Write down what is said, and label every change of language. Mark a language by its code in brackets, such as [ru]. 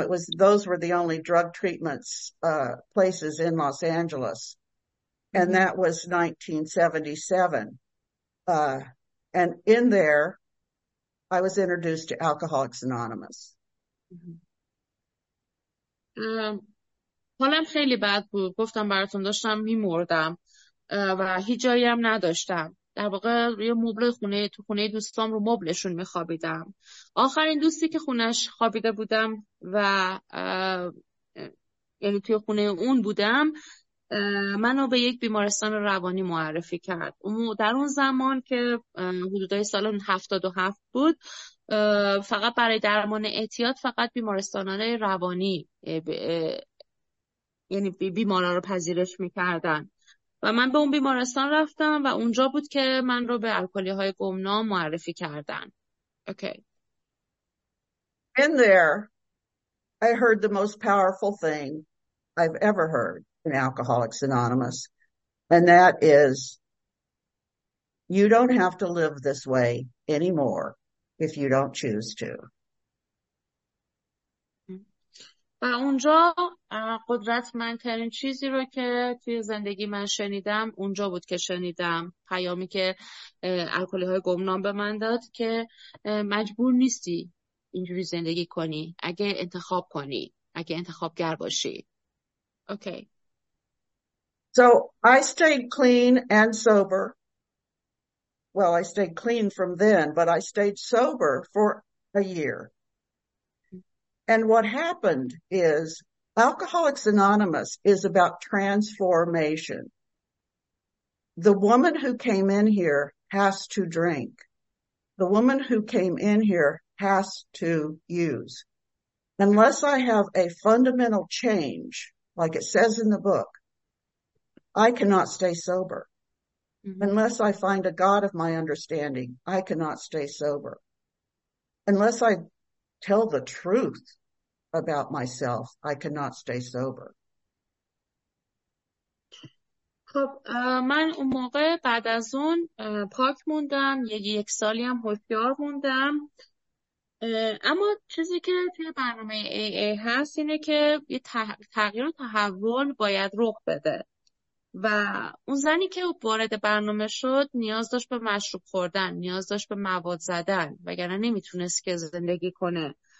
[en] It was, those were the only drug treatments places in Los Angeles. And that was 1977. And in there, I was introduced to Alcoholics Anonymous. [fa] حالم خیلی بد بود، گفتم براتون داشتم میمردم و هیچ جایی هم نداشتم. در واقع روی مبل خونه تو خونه دوستام رو مبلشون میخوابیدم. آخرین دوستی که خونش خوابیده بودم و یعنی توی خونه اون بودم، منو به یک بیمارستان روانی معرفی کرد. در اون زمان که حدودای سال 77 بود، فقط برای درمان اعتیاد فقط بیمارستانان روانی یعنی بیمارا رو پذیرش میکردن و من به اون بیمارستان رفتم و اونجا بود که من رو به الکلی های گمنام معرفی کردن. [en] Okay. In there, I heard the most powerful thing I've ever heard in Alcoholics Anonymous, and that is, you don't have to live this way anymore if you don't choose to. [fa] و اونجا قدرتمندترین چیزی رو که توی زندگی من شنیدم اونجا بود که شنیدم، پیامی که الکلی های گمنام به من داد که مجبور نیستی اینجوری زندگی کنی اگه انتخاب کنی، اگه انتخابگر باشی. [en] Okay. So I stayed clean and sober. Well, I stayed clean from then, but I stayed sober for a year. And what happened is Alcoholics Anonymous is about transformation. The woman who came in here has to drink. The woman who came in here has to use. Unless I have a fundamental change, like it says in the book, I cannot stay sober. Unless I find a God of my understanding, I cannot stay sober. Unless I tell the truth about myself, I cannot stay sober. [fa] خب من اون موقع بعد از اون پاک موندم، یک سالی هم هوشیار موندم. اما چیزی که توی برنامه AA هست اینه که تغییر و تحول باید رخ بده و اون زنی که وارد برنامه شد نیاز داشت به مشروب خوردن، نیاز داشت به مواد زدن، وگرنه نمیتونست که زندگی کنه.